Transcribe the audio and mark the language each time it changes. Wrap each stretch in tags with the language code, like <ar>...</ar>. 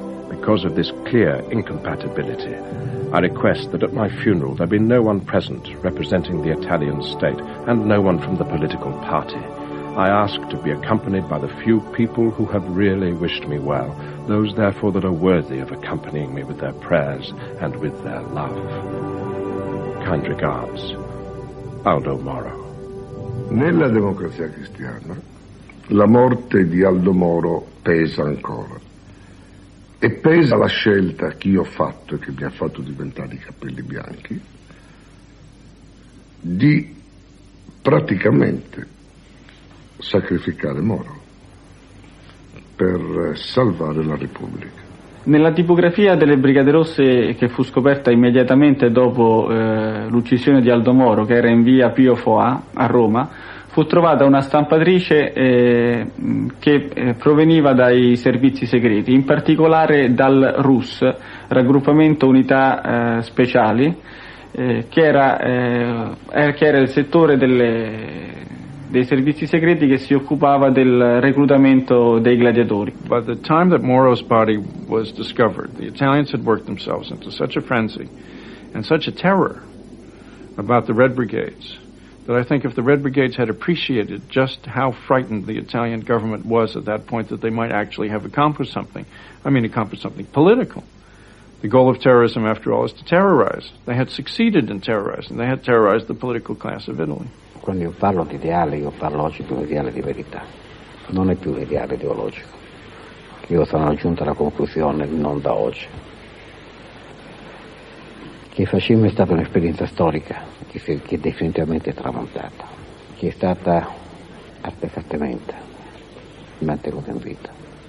<en>Because of this clear incompatibility, I request that at my funeral there be no one present representing the Italian state and no one from the political party. I ask to be accompanied by the few people who have really wished me well, those therefore that are worthy of accompanying me with their prayers and with their love. Kind regards, Aldo Moro.</en> <it>Nella Democrazia Cristiana, la morte di Aldo Moro pesa ancora. E pesa la scelta che io ho fatto e che mi ha fatto diventare i capelli bianchi di praticamente sacrificare Moro per salvare la Repubblica. Nella tipografia delle Brigate Rosse che fu scoperta immediatamente dopo l'uccisione di Aldo Moro, che era in via Pio Foa a Roma, fu trovata una stampatrice che proveniva dai servizi segreti, in particolare dal RUS, Raggruppamento Unità Speciali, che era il settore dei servizi segreti che si occupava del reclutamento dei gladiatori.</it> <en>By the time that Moro's body was discovered, the Italians had worked themselves into such a frenzy and such a terror about the Red Brigades that I think if the Red Brigades had appreciated just how frightened the Italian government was at that point, that they might actually have accomplished something political. The goal of terrorism, after all, is to terrorize. They had succeeded in terrorizing. They had terrorized the political class of Italy.</en> <it>Quando io parlo di ideale, io parlo oggi di un ideale di verità. Non è più un ideale ideologico. Io sono giunto alla conclusione, non da oggi, che il fascismo è stata un'esperienza storica che è definitivamente tramontata, che è stata artefattamente mantenuta in vita.</it>